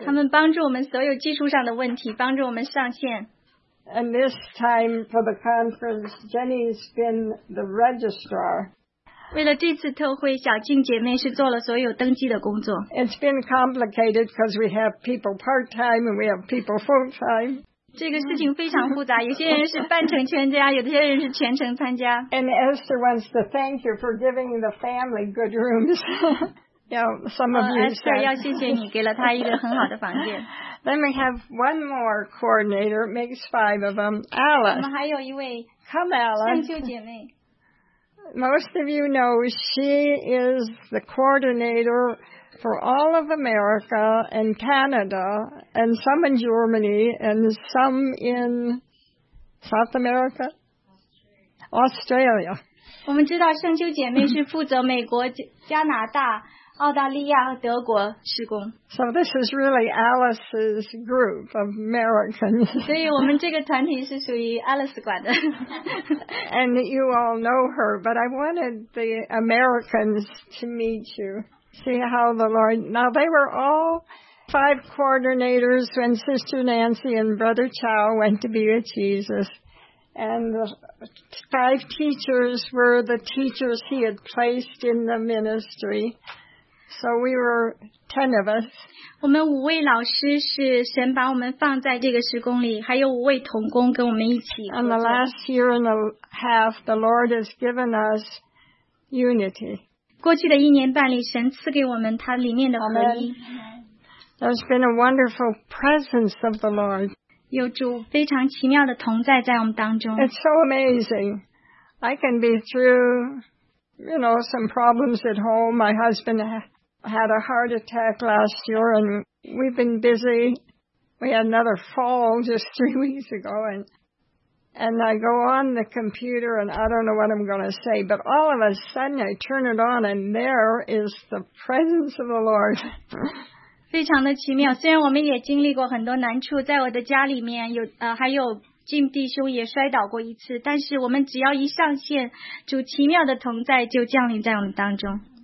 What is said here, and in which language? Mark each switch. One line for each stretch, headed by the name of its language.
Chinese: 他们帮助我们所有技术上的问题，帮助我们上线。
English: And this time for the conference, Jenny's been the registrar.
Chinese: 为了这次特会，小静姐妹是做了所有登记的工作。
English: It's been complicated because we have people part-time and we have people full-time.
Chinese: 这个事情非常复杂，有些人是半程参加，有些人是全程参加。
English: And Esther wants to thank you for giving the family good rooms. Yeah, some of you.
Chinese: Esther 要谢谢你给了她一个很好的房间。
English: Then we have one more coordinator, makes five of them. Alice.
Chinese: 我们还有一位。
English: Come, Alice.
Chinese: 圣秀姐妹。
English: Most of you know she is the coordinator for all of America and Canada and some in Germany and some in South America, Australia.
Chinese: 我们知道圣秀姐妹是负责美国、加拿大、澳大利亚和德国施工。
English: So this is really Alice's group of Americans.
Chinese: 所以我们这个团体是属于 Alice 管的。
English: And you all know her, but I wanted the Americans to meet you. See how the Lord... Now they were all five coordinators when Sister Nancy and Brother Chow went to be with Jesus. And the five teachers were the teachers he had placed in the ministry. So we were 10 of us.
Chinese: 我们五位老师是神把我们放在这个施工里，还有五位同工跟我们一起。
English: And the last year and a half, the Lord has given us unity.
Chinese: 过去的一年半里，神赐给我们他里面的合一。
English: There's been a wonderful presence of the Lord.
Chinese: 有主非常奇妙的同在在我们当中。
English: It's so amazing. I can be through... You know, some problems at home. My husband had a heart attack last year, and we've been busy. We had another fall just 3 weeks ago, and I go on the computer, and I don't know what I'm going to say, but all of a sudden I turn it on, and there is the presence of the Lord.
Chinese: 非常的奇妙。虽然我们也经历过很多难处，在我的家里面有还有。 Jim 弟兄也摔倒过一次，但是我们只要一上线，主奇妙的同在就降临在我们当中。